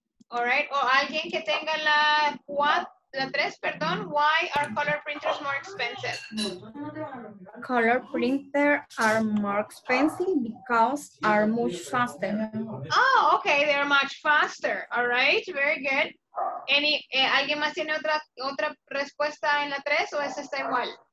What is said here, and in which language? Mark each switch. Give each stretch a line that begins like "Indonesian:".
Spanish: All right, o alguien que tenga la 3, perdón.
English: Why are color printers more expensive? Color printer are more expensive because are much faster. Oh, okay, they're much faster. All right, very good.
Spanish: ¿Alguien más tiene otra respuesta en la 3 o esa está igual?